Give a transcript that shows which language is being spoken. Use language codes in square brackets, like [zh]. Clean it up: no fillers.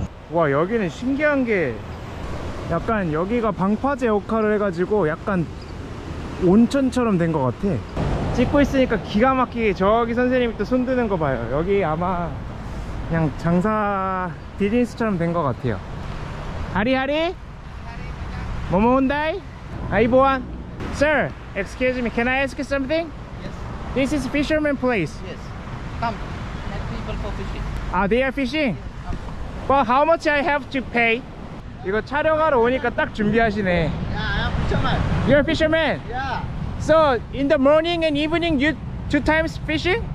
[ko] 와, 여기는 신기한 게 약간 여기가 방파제 역할을 해가지고 약간 온천처럼 된 것 같아. 찍고 있으니까 기가 막히게 저기 선생님이 또 손 드는 거 봐요. 여기 아마 그냥 장사 비즈니스처럼 된 것 같아요. 하리하리? 뭐뭐 온다이? 아이보안? [en] Sir, excuse me, can I ask you something? Yes. This is fisherman place. Yes. Come, let people for fishing. Ah, they are fishing? Well, how much I have to pay? [ko] 이거 촬영하러 오니까 딱 준비하시네. [en] Yeah, I am fisherman. You're a fisherman? Yeah. So, in the morning and evening, you two times fishing?